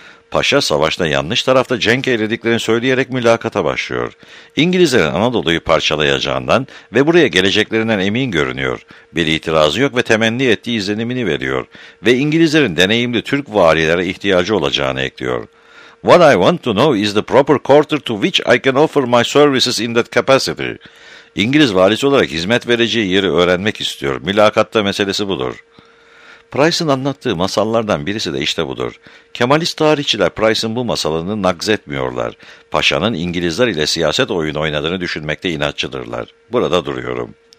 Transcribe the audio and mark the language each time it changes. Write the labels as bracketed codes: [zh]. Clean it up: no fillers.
[tr] Paşa savaşta yanlış tarafta cenk eylediklerini söyleyerek mülakata başlıyor. İngilizlerin Anadolu'yu parçalayacağından ve buraya geleceklerinden emin görünüyor. Bir itirazı yok ve temenni ettiği izlenimini veriyor ve İngilizlerin deneyimli Türk valilere ihtiyacı olacağını ekliyor. [en] What I want to know is the proper quarter to which I can offer my services in that capacity. [tr] İngiliz valisi olarak hizmet vereceği yeri öğrenmek istiyor. Mülakatta meselesi budur. Price'ın anlattığı masallardan birisi de işte budur. Kemalist tarihçiler Price'ın bu masalını nakzetmiyorlar. Paşa'nın İngilizler ile siyaset oyunu oynadığını düşünmekte inatçıdırlar. Burada duruyorum.